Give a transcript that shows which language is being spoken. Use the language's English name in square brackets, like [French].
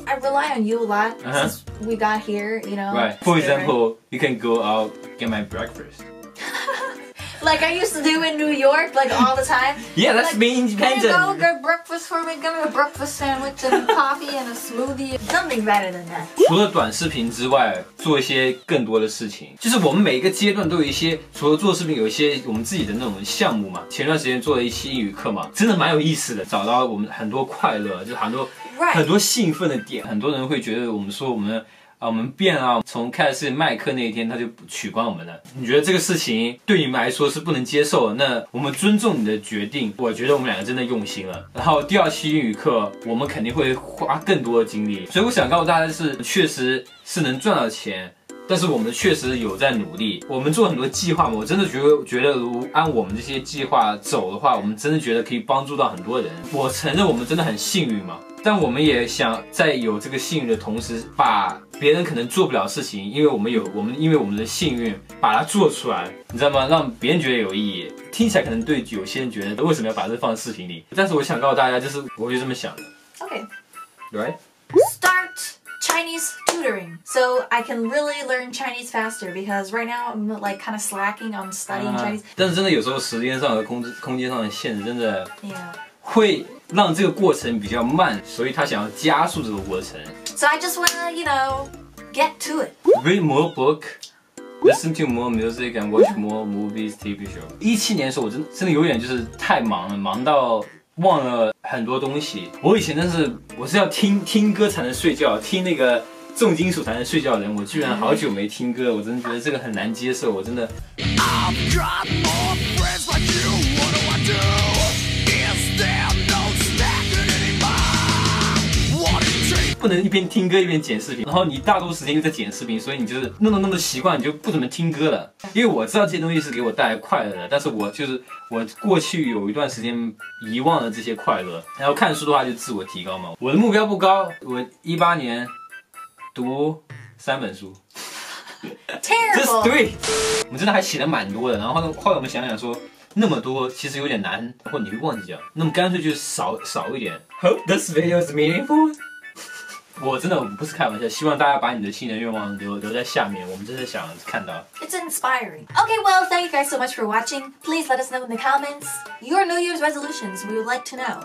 [English] I rely on you a lot since we got here, you know. Right. For example, you can go out, get my breakfast. Like I used to do in New York, like all the time. Yeah, that's me in Japan. Can you go get breakfast for me? Give me a breakfast sandwich and a coffee and a smoothie. Something better than that. [Chinese] 除了短视频之外，做一些更多的事情，就是我们每一个阶段都有一些，除了做视频，有一些我们自己的那种项目嘛。前段时间做了一期英语课嘛，真的蛮有意思的，找到我们很多快乐，就很多、 [English] right. [Chinese] 很多兴奋的点。很多人会觉得我们说我们。啊、我们变了，从开始麦克那一天他就取关我们了。你觉得这个事情对你们来说是不能接受，那我们尊重你的决定，我觉得我们两个真的用心了。然后第二期英语课我们肯定会花更多的精力，所以我想告诉大家是确实是能赚到钱，但是我们确实有在努力，我们做很多计划嘛。我真的觉得如按我们这些计划走的话，我们真的觉得可以帮助到很多人。我承认我们真的很幸运嘛，但我们也想在有这个幸运的同时，把别人可能做不了事情，因为我们有我们，因为我们的幸运把它做出来，你知道吗？让别人觉得有意义。听起来可能对有些人觉得为什么要把这放在视频里，但是我想告诉大家，就是我就这么想的。 [English] Okay, right? Start Chinese tutoring so I can really learn Chinese faster because right now I'm like kind of slacking on studying Chinese.、 [Chinese] 但是真的有时候时间上和空间上的限制真的。 [English] Yeah. [Chinese] 会。让这个过程比较慢，所以他想要加速这个过程。 [English] So I just wanna, you know, get to it. Read more book, listen to more music, and watch more movies, TV show. [Chinese] 2017年的时候，我真的有点就是太忙了，忙到忘了很多东西。我以前真是我是要听歌才能睡觉，听那个重金属才能睡觉的人，我居然好久没听歌，我真的觉得这个很难接受，我真的。不能一边听歌一边剪视频，然后你大多时间又在剪视频，所以你就是弄得习惯，你就不怎么听歌了。因为我知道这些东西是给我带来快乐的，但是我就是我过去有一段时间遗忘了这些快乐。然后看书的话就自我提高嘛，我的目标不高，我2018年读3本书。 [English] Terrible. Just three. [Chinese] 我们真的还写的蛮多的，然后后来我们想想说。那么多其实有点难，然后你会忘记掉，那么干脆就少一点。 [English] Hope this video is meaningful. [Chinese] 我真的不是开玩笑，希望大家把你的新年愿望留在下面，我们真的想看到。 [English] It's inspiring. Okay, well, thank you guys so much for watching. Please let us know in the comments your New Year's resolutions. We would like to know.